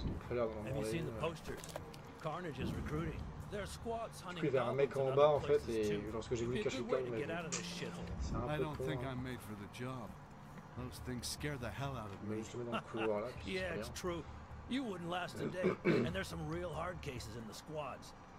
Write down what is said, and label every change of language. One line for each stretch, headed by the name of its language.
English: Have you seen the posters? Carnage is recruiting. There are squads hunting.
French: Il y avait un mec en bas en fait, et lorsque j'ai vu le cachot,
English: I don't think I'm made for the job. Those things scare the hell out of me. Yeah, it's true. You wouldn't last a day, and there's some real hard cases in the squads.